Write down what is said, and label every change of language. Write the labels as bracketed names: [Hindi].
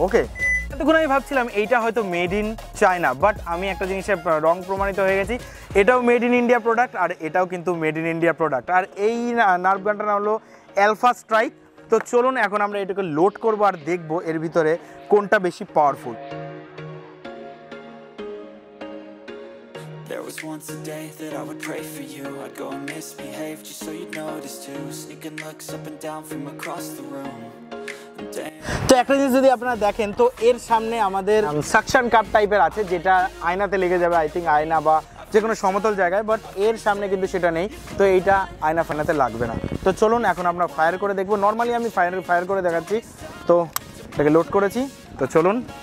[Bangla] ওকে, এতক্ষণ আমি ভাবছিলাম এইটা হয়তো মেড ইন চায়না, বাট আমি একটা জিনিসে রং প্রমাণিত হয়ে গেছি, এটাও মেড ইন ইন্ডিয়া প্রোডাক্ট আর এটাও কিন্তু মেড ইন ইন্ডিয়া প্রোডাক্ট। আর এই নার্ভ গানটার নাম হলো অ্যালফা স্ট্রাইক। তো চলুন এখন আমরা এটাকে লোড করবো আর দেখবো এর ভিতরে কোনটা বেশি powerful. [English] There was once a day that I would pray for you, I'd go and misbehave just so you'd notice too, sneaking looks up and down from across the room. [Bangla] তো একটা জিনিস যদি আপনারা দেখেন, তো এর সামনে আমাদের সাকশন কাপ টাইপের আছে যেটা আয়নাতে লেগে যাবে, [English] I think [Bangla] আয়না বা যে কোনো সমতল জায়গায়, বাট এর সামনে কিন্তু সেটা নেই, তো এইটা আয়না ফায়নাতে লাগবে না। তো চলুন এখন আমরা ফায়ার করে দেখবো, নর্মালি আমি ফায়ার করে দেখাচ্ছি, তো এটাকে লোড করেছি, তো চলুন।